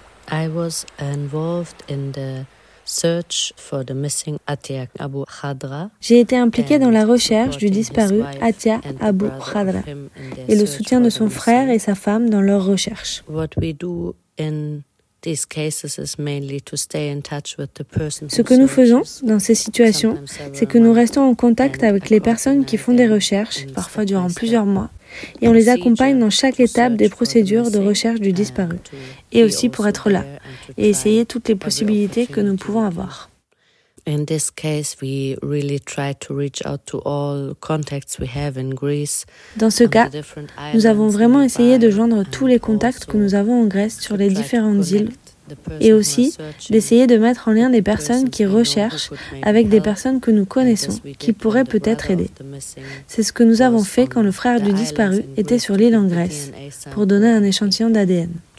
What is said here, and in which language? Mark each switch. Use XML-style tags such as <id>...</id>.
<en>I was involved in the search for the missing Atiya Abou Hadra.</en> <fr>J'ai été impliquée dans la recherche du disparu Atiya Abou Hadra et le soutien de son frère et sa femme dans leur recherche.</fr> <en>What we do in these cases is mainly to stay in touch with the person.</en> <fr>Ce que nous faisons dans ces situations, c'est que nous restons en contact avec les personnes qui font des recherches, parfois durant plusieurs mois, et on les accompagne dans chaque étape des procédures de recherche du disparu, et aussi pour être là et essayer toutes les possibilités que nous pouvons avoir.</fr> <en>In this case, we really try to reach out to all contacts we have in Greece.</en> <fr>Dans ce cas, nous avons vraiment essayé de joindre tous les contacts que nous avons en Grèce sur les différentes îles, et aussi d'essayer de mettre en lien des personnes qui recherchent avec des personnes que nous connaissons, qui pourraient peut-être aider. C'est ce que nous avons fait quand le frère du disparu était sur l'île en Grèce, pour donner un échantillon d'ADN.</fr>